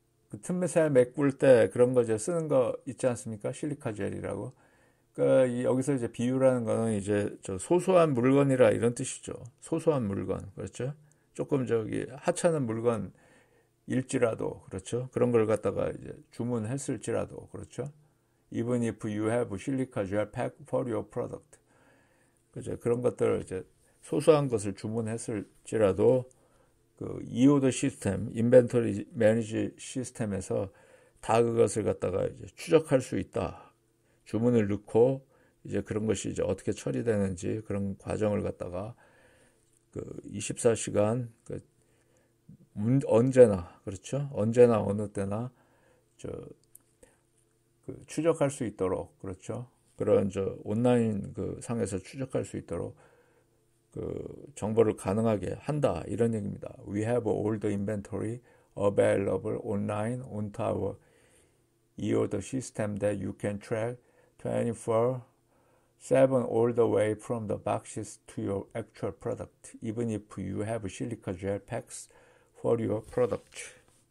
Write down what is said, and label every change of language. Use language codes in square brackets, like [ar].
[ko] 그 틈새 메꿀 때 그런 거 이제 쓰는 거 있지 않습니까? 실리카 젤이라고. 여기서 이제 비유라는 거는 이제 저 소소한 물건이라 이런 뜻이죠. 소소한 물건. 그렇죠? 조금 저기 하찮은 물건 일지라도, 그렇죠? 그런 걸 갖다가 이제 주문했을지라도, 그렇죠? [en] Even if you have silica gel pack for your product. [ko] 그죠? 그런 것들을 이제 소소한 것을 주문했을지라도, EOD 시스템, Inventory Manage 시스템에서 다 그것을 갖다가 이제 추적할 수 있다. 주문을 넣고, 이제 그런 것이 이제 어떻게 처리되는지 그런 과정을 갖다가, 24시간, 언제나, 그렇죠? 언제나, 어느 때나, 추적할 수 있도록, 그렇죠? 그런, 온라인, 상에서 추적할 수 있도록, 정보를 가능하게 한다. 이런 얘기입니다. [en] We have all the inventory available online on our EOD system that you can track 24/7 all the way from the boxes to your actual product, even if you have silica gel packs for your product.